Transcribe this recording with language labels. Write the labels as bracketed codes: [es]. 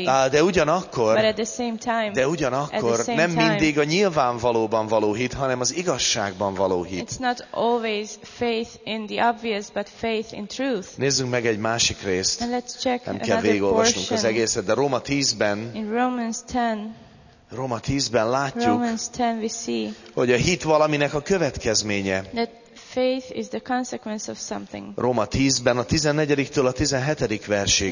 [hu] De ugyanakkor, nem mindig a nyilvánvalóban való hit, hanem az igazságban való hit. [en] It's not always faith in the obvious, but faith in truth. [hu] Nézzünk meg egy másik részt. [en] And let's check [hu] nem kell végigolvasnunk az egészet, de Róma 10-ben. [en] In Romans 10. [hu] Róma 10-ben látjuk, [en] Romans 10 we see, [hu] hogy a hit valaminek a következménye. [en] That faith is the consequence of something. [hu] Róma 10-ben a 14-től a 17. versig.